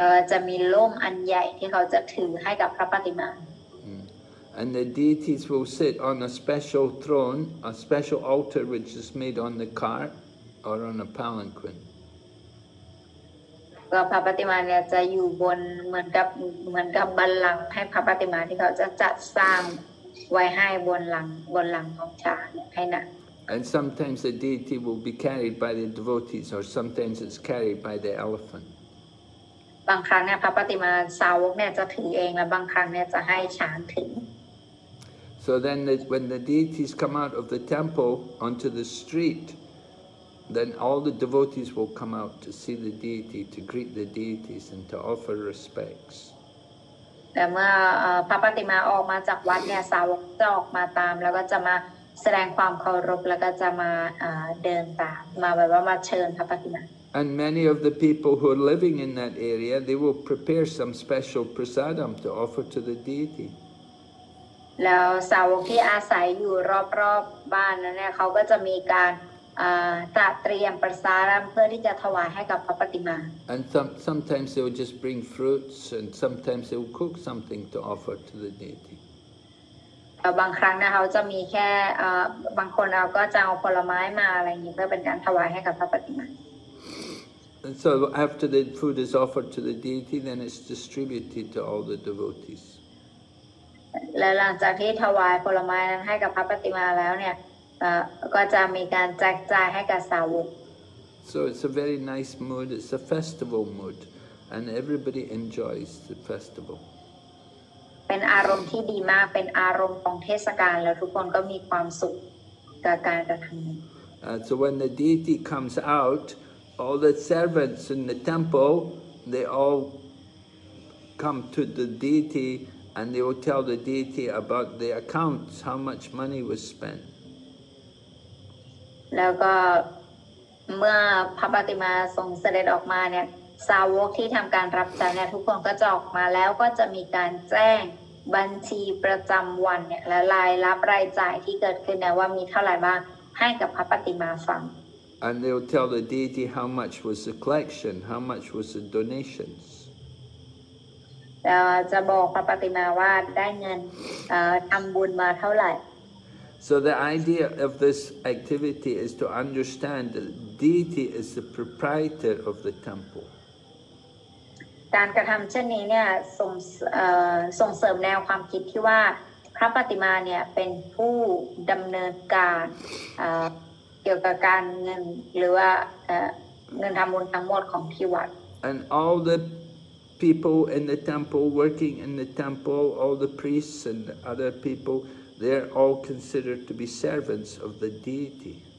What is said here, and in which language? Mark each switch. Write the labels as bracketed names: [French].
[Thai] จะมีร่มอันใหญ่ที่เขาจะถือให้กับพระปฏิมา [English] And the deities will sit on a special throne, a special altar which is made on the cart. or on a palanquin. [Thai] ก็พระปฏิมาเนี่ยจะอยู่บนเหมือนกับบัลลังก์ให้พระปฏิมาที่เขาจะจัดสร้างไว้ให้บนหลังของช้างให้น่ะ [English] And sometimes the deity will be carried by the devotees, or sometimes it's carried by the elephant. [Thai] บางครั้งเนี่ยพระปฏิมาสาวกเนี่ยจะถือเองและบางครั้งเนี่ยจะให้ช้างถือ [English] So then when the deities come out of the temple onto the street, then all the devotees will come out to see the deity, to greet the deities and to offer respects. [Thai] แต่เมื่อพระปฏิมาออกมาจากวัดเนี่ยสาวกจะออกมาตามแล้วก็จะมาแสดงความเคารพแล้วก็จะมาเดินตามมาแบบว่ามาเชิญพระปฏิมา [English] And many of the people who are living in that area, they will prepare some special prasadam to offer to the deity. [Thai] แล้วสาวกที่อาศัยอยู่รอบๆ บ้านนั้นเนี่ยเขาก็จะมีการจัดเตรียมประสาทเพื่อที่จะถวายให้กับพระปฏิมา [English] And sometimes they will just bring fruits and sometimes they will cook something to offer to the deity [Thai] บางครั้งนะเขาจะมีแค่บางคนเราก็จะเอาผลไม้มาอะไรอย่างนี้เพื่อเป็นการถวายให้กับพระปฏิมา [English] And so after the food is offered to the deity then it's distributed to all the devotees. [Thai] และหลังจากที่ถวายผลไม้นั้นให้กับพระปฏิมาแล้วเนี่ยก็จะมีการแจกจ่ายให้กับสาวก [English] So it's a very nice mood. It's a festival mood, and everybody enjoys the festival. [Thai] เป็นอารมณ์ที่ดีมากเป็นอารมณ์ของเทศกาลแล้วทุกคนก็มีความสุขกับการกระทำนี้ [English] So when the deity comes out, all the servants in the temple, they all come to the deity. And they will tell the deity about the accounts, how much money was spent. [Thai] แล้วก็เมื่อพระปฏิมาทรงเสด็จออกมาเนี่ยสาวกที่ทำการรับจ่ายเนี่ยทุกคนก็จะออกมาแล้วก็จะมีการแจ้งบัญชีประจำวันเนี่ยและรายรับรายจ่ายที่เกิดขึ้นเนี่ยว่ามีเท่าไหร่บ้างให้กับพระปฏิมาฟัง [English] And they will tell the deity how much was the collection, how much was the donations. [Thai] เราจะบอกพระปฏิมาว่าได้เงินทำบุญมาเท่าไหร่ [English] So the idea of this activity is to understand that deity is the proprietor of the temple. [Thai] การกระทำเช่นนี้เนี่ยส่งเสริมแนวความคิดที่ว่าพระปฏิมาเนี่ยเป็นผู้ดำเนินการเกี่ยวกับการเงินหรือว่าเงินทำบุญทั้งหมดของที่วัด [English] And all thepeople in the temple, working in the temple, all the priests and other people, they're all considered to be servants of the deity.